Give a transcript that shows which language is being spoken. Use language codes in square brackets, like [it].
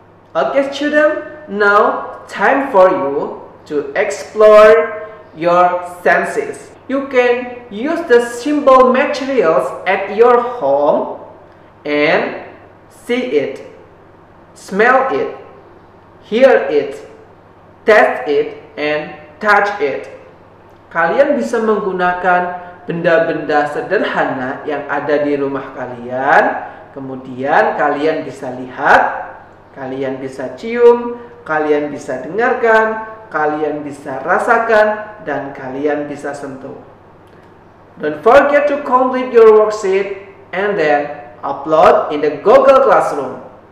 [en] Okay, student, now time for you to explore your senses. You can use the simple materials at your home and see it, smell it, hear it, taste it, and touch it. [id] Kalian bisa menggunakan benda-benda sederhana yang ada di rumah kalian. Kemudian kalian bisa lihat, kalian bisa cium, kalian bisa dengarkan, kalian bisa rasakan, dan kalian bisa sentuh. [en] Don't forget to complete your worksheet and then upload in the Google Classroom.